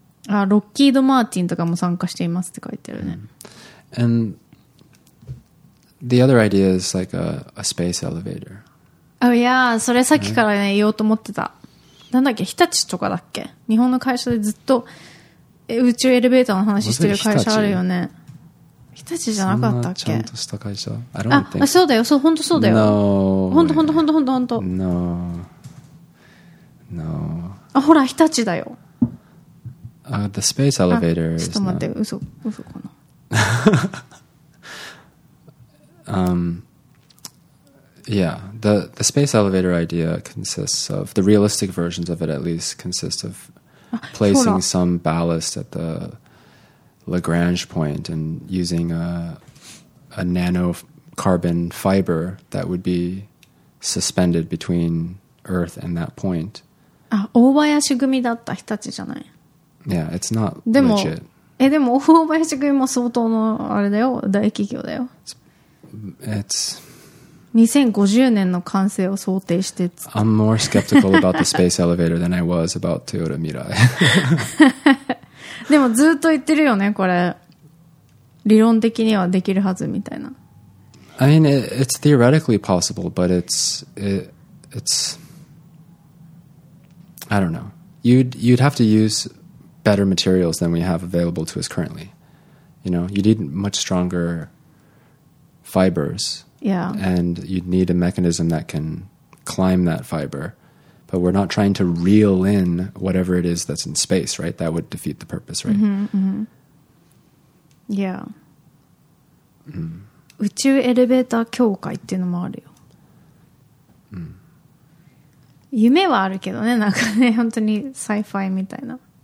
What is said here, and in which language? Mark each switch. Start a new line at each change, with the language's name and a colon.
Japanese: あ、ロッキード・マーティンとかも参加していますって書いてるね。
English: And the other idea is like a space elevator.
Japanese: Oh yeah, それさっきからね、言おうと思ってた。なんだっけ、日立とかだっけ？日本の会社でずっと宇宙エレベーターの話してる会社あるよね。日立じゃなかったっけ？そんなちゃんとした会社？あ、そうだよ、そう、本当そうだよ。本当本当本当本当本当。
English: No. No.
Japanese: あ、ほら、日立だよ。
English: The space elevator is
Japanese: ちょっと待って嘘、嘘かな。
English: Yeah, the space elevator idea consists of, the realistic versions of it at least, consists of placing some ballast at the Lagrange point and using a nanocarbon fiber that would be suspended between Earth and that point.
Japanese: Ah, 大林組だった日立じゃない。
English: Yeah, it's not legit.
Japanese: でも大林組も相当のあれだよ、大企業だよ。
English: It's
Japanese: 2050年の完成を想定して。
English: I'm more skeptical about the space elevator than I was about Toyota Mirai. でもずっと言ってるよね、これ。理論的にはできるはずみたいな。 I mean, it's theoretically possible, but it's I don't know. You'd have to use better materials than we have available to us currently. You know, you need much stronger fibers. Yeah. And you'd need a mechanism that can climb that fiber. But we're not trying to reel in whatever it is that's in space, right? That would defeat the purpose, right? Mm-hmm, mm-hmm. Yeah.
Japanese: Mm. 宇宙エレベーター協会っていうのもあるよ。夢はあるけどね、なんかね、本当にサイファイみたいな。